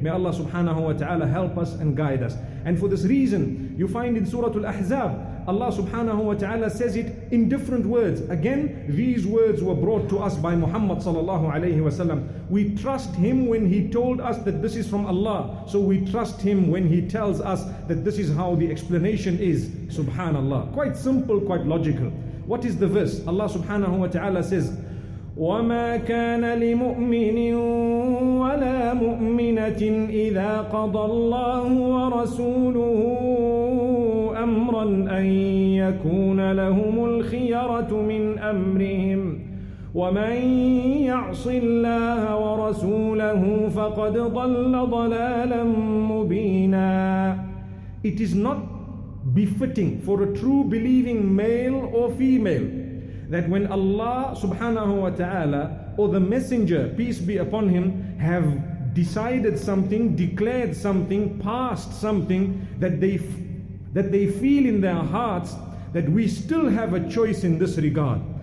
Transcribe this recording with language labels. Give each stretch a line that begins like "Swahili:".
English: May Allah subhanahu wa ta'ala help us and guide us. And for this reason, you find in Surah Al-Ahzab, Allah subhanahu wa ta'ala says it in different words. Again, these words were brought to us by Muhammad sallallahu alayhi wa sallam. We trust him when he told us that this is from Allah. So we trust him when he tells us that this is how the explanation is. Subhanallah. Quite simple, quite logical. What is the verse?
Arabic: Allah subhanahu wa ta'ala says, وَمَا كَانَ لِمُؤْمِنٍ وَلَا مُؤْمِنَةٍ إِذَا قَضَى اللَّهُ وَرَسُولُهُ أَمْرًا أَنْ يَكُونَ لَهُمُ الْخِيَرَةُ مِنْ أَمْرِهِمْ وَمَنْ يَعْصِ اللَّهَ وَرَسُولَهُ فَقَدْ ضَلَّ ضَلَالًا مُبِينًا.
English: It is not befitting for a true believing male or female that when Allah subhanahu wa ta'ala or the messenger, peace be upon him, have decided something, declared something, passed something, that they feel in their hearts that we still have a choice in this regard.